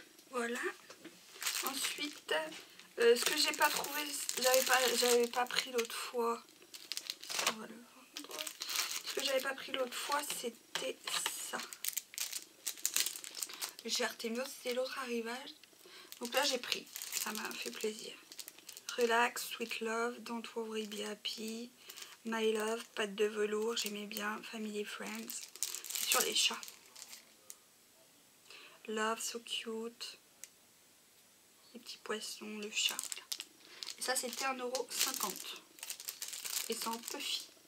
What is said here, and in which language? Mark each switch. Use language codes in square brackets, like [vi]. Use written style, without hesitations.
[fr] Voilà. Ensuite, ce que j'ai pas trouvé, j'avais pas pris l'autre fois. On va le vendre. Ce que j'avais pas pris l'autre fois, c'était ça. Chez Artemios, c'était l'autre arrivage. Donc là, j'ai pris. Ça m'a fait plaisir. [en] Relax, sweet love, don't worry, be happy. My love, [fr] pâte de velours, j'aimais bien. [en] Family, friends. [fr] C'est sur les chats. [en] Love, so cute. [fr] Les petits poissons, le chat. Et ça, c'était 1,50€. Et sans puffy.